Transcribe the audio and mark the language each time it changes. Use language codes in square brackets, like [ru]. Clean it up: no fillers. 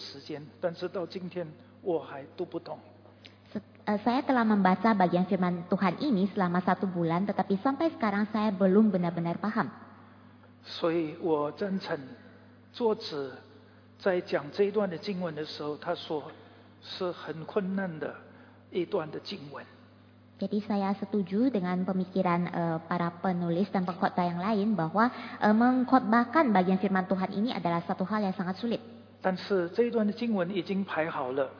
[zh] 我读了这一段的经文有一个月的时间，但是到今天我还读不懂。 [id] Saya telah membaca bagian firman Tuhan ini selama satu bulan, tetapi sampai sekarang saya belum benar-benar paham. [zh] 所以我赞成作者在讲这一段的经文的时候，他说是很困难的一段的经文。 [id] Jadi saya setuju dengan pemikiran para penulis dan pengkhotbah yang lain bahwa mengkhotbahkan bagian firman Tuhan ini adalah satu hal yang sangat sulit. Tetapi ini adalah satu hal yang sangat sulit.